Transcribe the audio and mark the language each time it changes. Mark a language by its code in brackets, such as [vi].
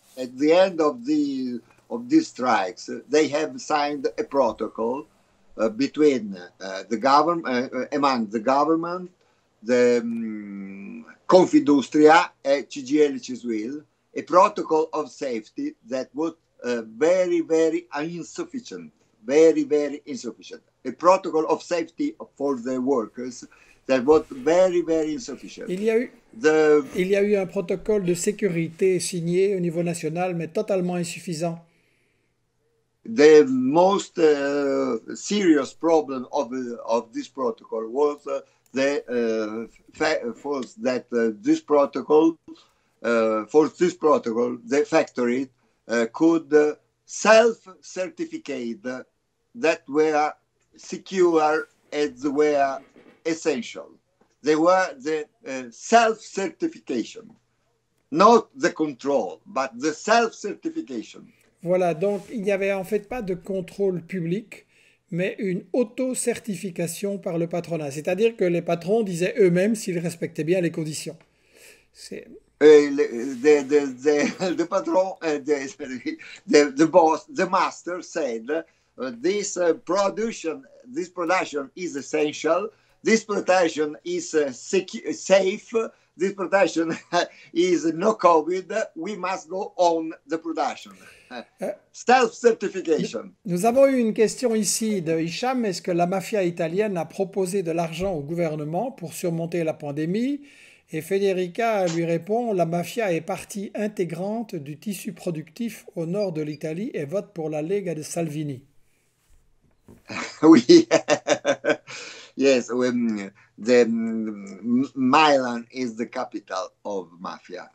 [en] At the end of these strikes, they have signed a protocol between the government, among the government, the Confindustria, CGL CISL, a protocol of safety that was very, very insufficient. Very, very insufficient. A protocol of safety for the workers that was very, very insufficient. [fr] Il y a eu un protocole de sécurité signé au niveau national, mais totalement insuffisant. [en] The most serious problem of this protocol was this protocol, the factory could self-certificate that were secure and were essential. They were the self-certification, not the control, but the self-certification. [fr] Voilà, donc il n'y avait en fait pas de contrôle public, mais une auto-certification par le patronat. C'est-à-dire que les patrons disaient eux-mêmes s'ils respectaient bien les conditions. C'est. [en] The patron, the boss, the master said, this production, is essential. This production is safe. This production is no COVID. We must go on the production. Self-certification. [fr] Nous avons eu une question ici de Hicham. Est-ce que la mafia italienne a proposé de l'argent au gouvernement pour surmonter la pandémie? Et Federica lui répond, la mafia est partie intégrante du tissu productif au nord de l'Italie et vote pour la Lega de Salvini. Oui. [en] Yes, the Milan is the capital of mafia.